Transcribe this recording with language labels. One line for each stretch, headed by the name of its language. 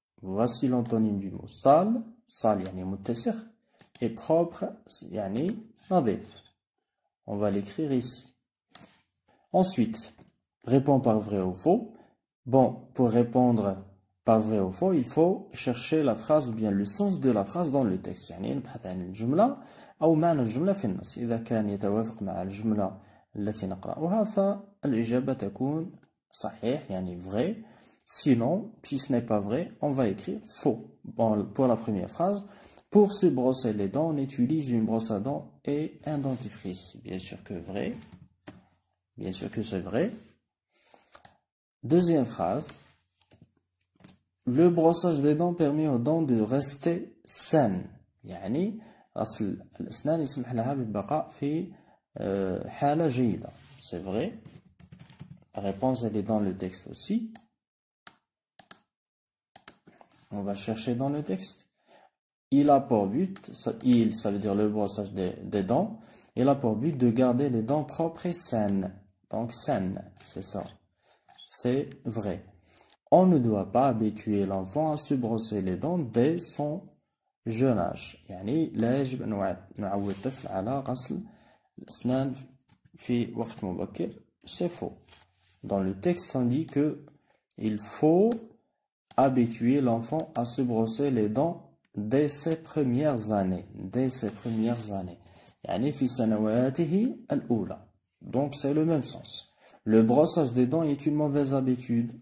French: Voici l'antonyme du mot sale. Sale,
Arabic: yani muttasir.
French: Et propre,
Arabic: yani nadif.
French: On va l'écrire ici. Ensuite, répond par vrai ou faux. Bon, pour répondre pas vrai ou faux, il faut chercher la phrase ou bien le sens de la phrase dans le texte.
Arabic: يعني نبحث عن الجملة أو معنى الجملة في النص. إذا كان يتوافق مع الجملة التي نقرأها فالإجابة تكون صحيح يعني vrai.
French: Sinon, si ce n'est pas vrai, on va écrire faux. Bon, pour la première phrase, pour se brosser les dents, on utilise une brosse à dents et un dentifrice. Bien sûr que vrai. Bien sûr que c'est vrai. Deuxième phrase. Le brossage des dents permet aux dents de rester saines.
Arabic: يعني غسل الأسنان يسمح لها بالبقاء في حالة جيدة.
French: C'est vrai. La réponse elle est dans le texte aussi. On va chercher dans le texte. Il a pour but, il, ça veut dire le brossage des dents, il a pour but de garder les dents propres et saines. Donc saines, c'est ça. C'est vrai. On ne doit pas habituer l'enfant à se brosser les dents dès son jeune âge.
Arabic: يعني لا يجب أن نعود الطفل على غسل الأسنان في وقت مبكر.
French: C'est faux. Dans le texte, on dit que il faut habituer l'enfant à se brosser les dents dès ses premières années. Dès ses premières années.
Arabic: يعني في سنواته الأولى.
French: Donc c'est le même sens. Le brossage des dents est une mauvaise habitude.